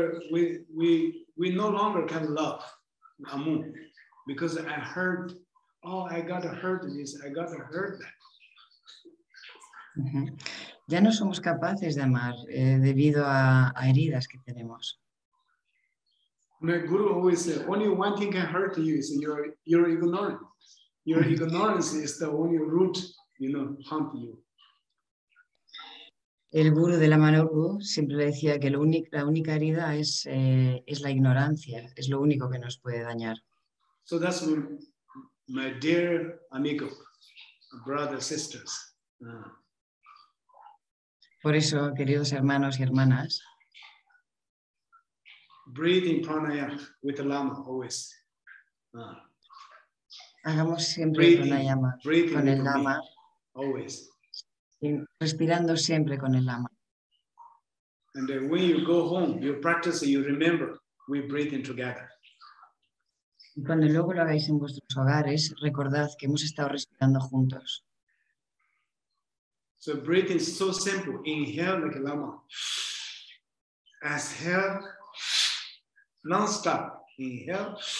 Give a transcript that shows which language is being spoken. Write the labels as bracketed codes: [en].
[en] We no longer can love amu because I heard, I gotta hurt this, I gotta hurt that. [es] Ya no somos capaces de amar debido a heridas que tenemos. [en] My guru always said, only one thing can hurt you is your ignorance. Your ignorance is the only root, harm you. [es] El guru de Lama Norbu siempre decía que la única herida es la ignorancia, es lo único que nos puede dañar. [en] So that's my dear amigo, brothers, sisters. [es] Por eso, queridos hermanos y hermanas, [en] breathing pranayama with the Lama always. [es] Hagamos siempre pranayama con el lama, [en] always. [es] Respirando siempre con el lama. [en] And then when you go home, you practice, you remember, we breathe in together. [es] Y cuando luego lo hagáis en vuestros hogares, recordad que hemos estado respirando juntos. [en] So breathing is so simple. Inhale like a lama. Exhale, non-stop, Inhale.